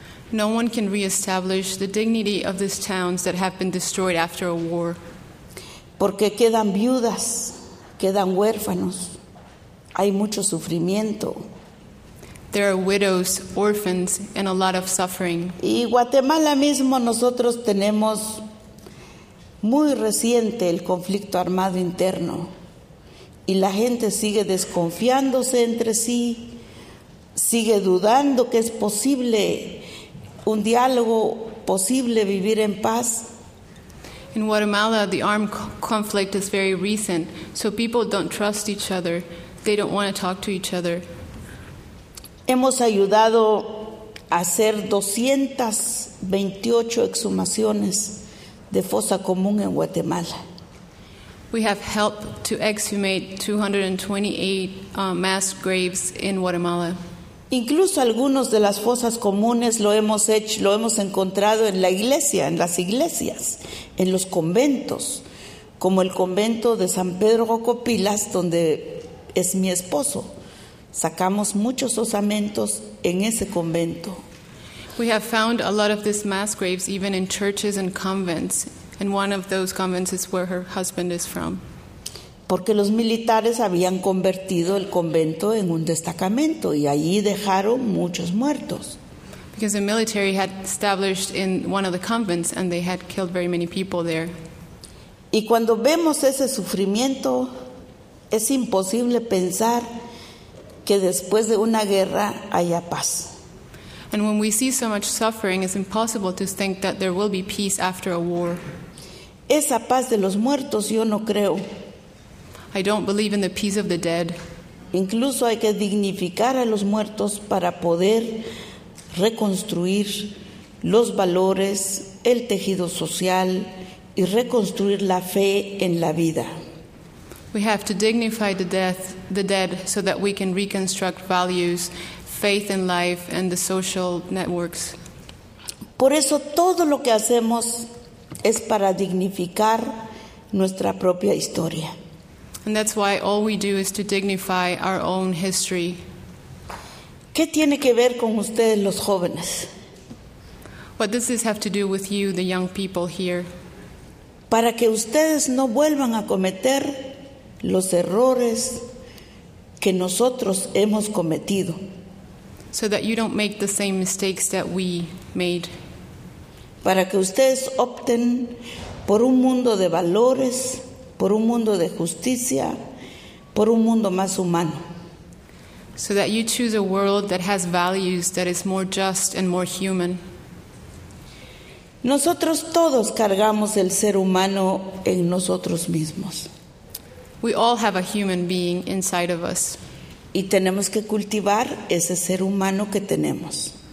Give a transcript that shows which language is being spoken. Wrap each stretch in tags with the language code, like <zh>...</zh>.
<en>No one can reestablish the dignity of these towns that have been destroyed after a war.</en> <es>Porque quedan viudas, quedan huérfanos. Hay mucho sufrimiento.</es> <en>There are widows, orphans, and a lot of suffering.</en> <es>Y Guatemala mismo nosotros tenemos muy reciente el conflicto armado interno. Y la gente sigue desconfiándose entre sí, sigue dudando que es posible un diálogo, posible vivir en paz.</es> <en>In Guatemala, the armed conflict is very recent, so people don't trust each other. They don't want to talk to each other.</en> <es>Hemos ayudado a hacer 228 exhumaciones de fosa común en Guatemala.</es> <en>We have helped to exhumate 228 mass graves in Guatemala.</en> <es>Incluso algunos de las fosas comunes lo hemos encontrado en la iglesia, en las iglesias, en los conventos, como el convento de San Pedro Cocopilas, donde es mi esposo. Sacamos muchos osamentos en ese convento.</es> <en>We have found a lot of these mass graves even in churches and convents. And one of those convents is where her husband is from.</en> <es>Porque los militares habían convertido el convento en un destacamento y allí dejaron muchos muertos.</es> <en>Because the military had established in one of the convents and they had killed very many people there.</en> <es>Y cuando vemos ese sufrimiento, es imposible pensar que después de una guerra haya paz.</es> <en>And when we see so much suffering, it's impossible to think that there will be peace after a war.</en> <es>Esa paz de los muertos yo no creo.</es> <en>I don't believe in the peace of the dead.</en> <es>Incluso hay que dignificar a los muertos para poder reconstruir los valores, el tejido social y reconstruir la fe en la vida.</es> <en>We have to dignify the dead so that we can reconstruct values, faith in life and the social networks.</en> <es>Por eso todo lo que hacemos es para dignificar nuestra propia historia.</es> <en>And that's why all we do is to dignify our own history.</en> <es>¿Qué tiene que ver con ustedes, los jóvenes?</es> <en>What does this have to do with you, the young people here?</en> <es>Para que ustedes no vuelvan a cometer los errores que nosotros hemos cometido.</es> <en>So that you don't make the same mistakes that we made.</en> <es>Para que ustedes opten por un mundo de valores, por un mundo de justicia, por un mundo más humano.</es> <en>So that you choose a world that has values, that is more just and more human.</en> <es>Nosotros todos cargamos el ser humano en nosotros mismos.</es> <en>We all have a human being inside of us.</en> <es>Y tenemos que cultivar ese ser humano que tenemos.</es>